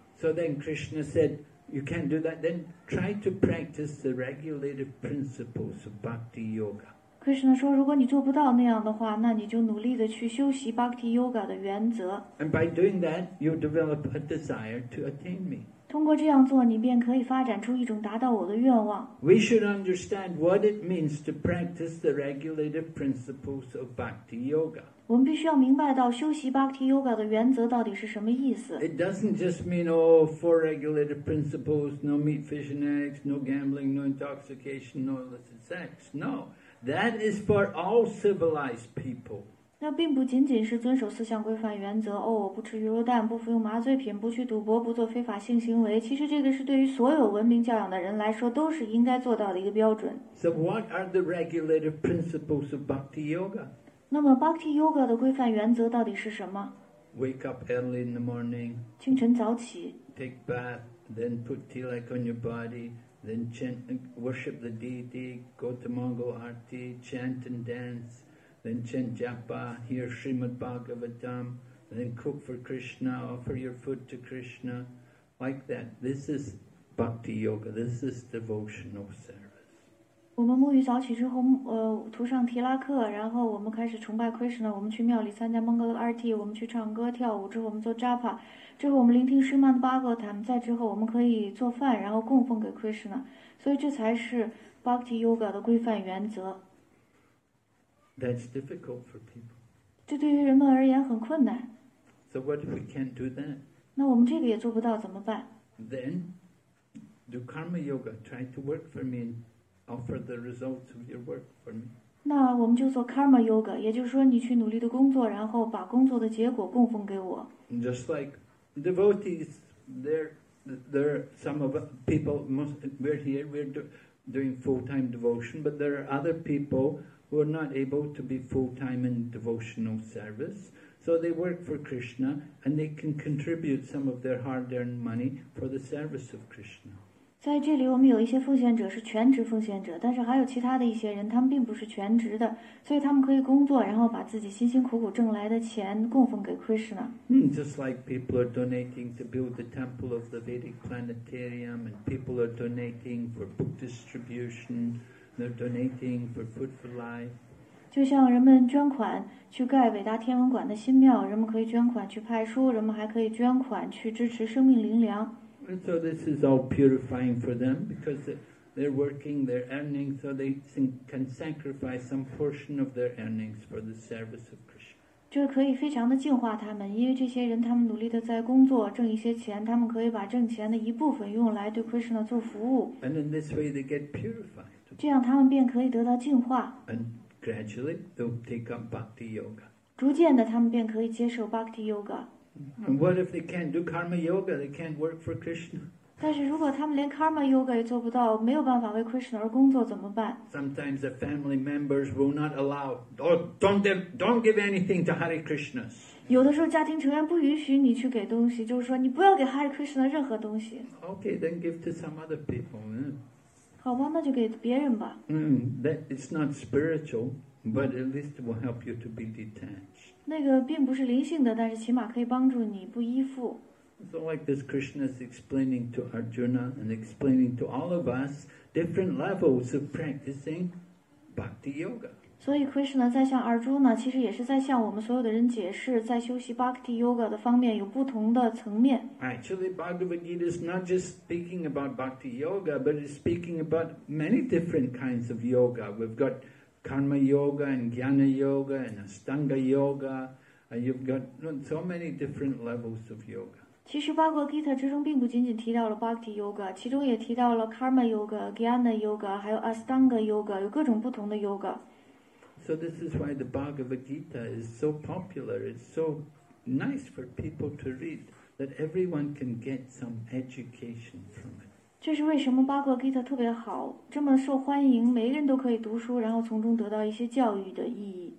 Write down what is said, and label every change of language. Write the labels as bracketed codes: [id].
[en] So then Krishna said, you can't do that, then try to practice the regulative principles of Bhakti Yoga. [zh] Krishna 说，如果你做不到那样的话，那你就努力地去修习 Bhakti Yoga 的原则。 [en] And by doing that, you'll develop a desire to attain me. [zh] 通过这样做，你便可以发展出一种达到我的愿望。 [en] We should understand what it means to practice the regulative principles of Bhakti Yoga. [zh] 我们必须要明白到修习 Bhakti Yoga 的原则到底是什么意思。 [en] It doesn't just mean, oh, four regulative principles, no meat, fish and eggs, no gambling, no intoxication, no illicit sex. No, that is for all civilized people. [zh] 那并不仅仅是遵守四项规范原则，哦，我不吃鱼肉蛋，不服用麻醉品，不去赌博，不做非法性行为，其实这个是对于所有文明教养的人来说都是应该做到的一个标准。 [en] So what are the regulative principles of Bhakti Yoga? [zh] 那么 Bhakti Yoga 的规范原则到底是什么？ [en] Wake up early in the morning. [zh] 清晨早起。 [en] Take bath, then put tilak on your body, then chant, worship the deity, go to Mangal Aarti, chant and danceThen chant japa, hear Srimad Bhagavatam, then cook for Krishna, offer your food to Krishna, like that. This is Bhakti Yoga, this is devotional service. [zh] 我们沐浴早起之后，涂上提拉克，然后我们开始崇拜 Krishna, 我们去庙里参加 Mangala Aarti, 我们去唱歌跳舞，之后我们做 japa, 之后我们聆听 Srimad Bhagavatam, 再之后我们可以做饭，然后供奉给 Krishna. 所以这才是 Bhakti Yoga 的规范原则。 [en] That's difficult for people. [zh] 这对于人们而言很困难。 [en] So what if we can't do that? [zh] 那我们这个也做不到怎么办？ [en] Then do karma yoga. Try to work for me and offer the results of your work for me. [zh] 那我们就做 karma yoga， 也就是说你去努力的工作，然后把工作的结果供奉给我。 [en] Just like devotees, there are some of people. Most we're here, we're doing full-time devotion, but there are other people. Who are not able to be full-time in devotional service, so they work for Krishna and they can contribute some of their hard-earned money for the service of Krishna. [zh] 在这里，我们有一些奉献者是全职奉献者，但是还有其他的一些人，他们并不是全职的，所以他们可以工作，然后把自己辛辛苦苦挣来的钱供奉给 Krishna. [en] Just like people are donating to build the temple of the Vedic planetarium, and people are donating for book distribution. They're donating for food for life. [zh] 就像人们捐款去盖伟大天文馆的新庙，人们可以捐款去派书，人们还可以捐款去支持生命灵粮。 [en] And so this is all purifying for them because they're working, they're earning, so they can sacrifice some portion of their earnings for the service of Krishna. [zh] 这可以非常的净化他们，因为这些人他们努力的在工作挣一些钱，他们可以把挣钱的一部分用来对 Krishna 做服务。 [en] And in this way they get purified. [zh] 这样他们便可以得到净化。 [en] And gradually they'll take up Bhakti Yoga. [zh] 逐渐的他们便可以接受 Bhakti Yoga. [en] And what if they can't do karma yoga? They can't work for Krishna. [zh] 但是如果他们连 karma yoga 也做不到，没有办法为 Krishna 而工作，怎么办？ [en] Sometimes the family members will not allow. Don't give anything to Hare Krishna. [zh] 有的时候家庭成员不允许你去给东西，就是说你不要给 Hare Krishna 任何东西。 [en] Okay, then give to some other people. [zh] 好吧，那就给别人吧。 [en] That it's not spiritual, but at least it will help you to be detached. [zh] 那个并不是灵性的，但是起码可以帮助你不依附。 [en] So like this, Krishna is explaining to Arjuna and explaining to all of us different levels of practicing bhakti yoga. [zh] So Krishna 在向 Arjuna 其实也是在向我们所有的人解释，在修习 bhakti yoga 的方面有不同的层面。 [en] Actually, Bhagavad Gita is not just speaking about bhakti yoga, but it's speaking about many different kinds of yoga. We've got karma yoga and jnana yoga and astanga yoga, and you've got so many different levels of yoga. [zh] 其实巴格吉塔之中并不仅仅提到了 Bhakti Yoga， 其中也提到了 Karma Yoga、 Jnana Yoga 还有 Astanga Yoga， 有各种不同的 Yoga。 [en] So this is why the Bhagavad Gita is so popular. It's so nice for people to read that everyone can get some education from it. [zh] 这是为什么巴格吉塔特别好，这么受欢迎，每个人都可以读书，然后从中得到一些教育的意义。